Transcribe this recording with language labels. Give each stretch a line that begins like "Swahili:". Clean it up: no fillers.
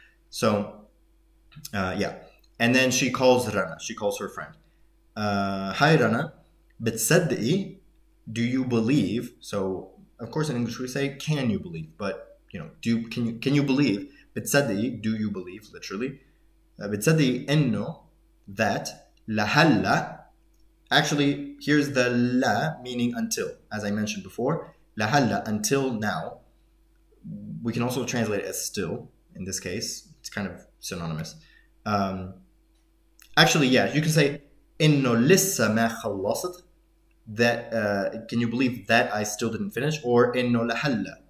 English: So yeah. And then she calls Rana. She calls her friend. Hi Rana.
Arabic: بتصدقي?
English: Do you believe? So of course in English we say can you believe, but you know, can you believe? بتصدقي, do you believe, literally.
Arabic: بتصدقي إنه
English: that
Arabic: لهلا.
English: Actually, here's the لا meaning until, as I mentioned before. لهلا, until now. We can also translate it as still in this case. It's kind of synonymous. Actually, yeah, you can say
Arabic: إنه لسه ما خلصت.
English: That, can you believe that I still didn't finish? Or
Arabic: إنه لهلا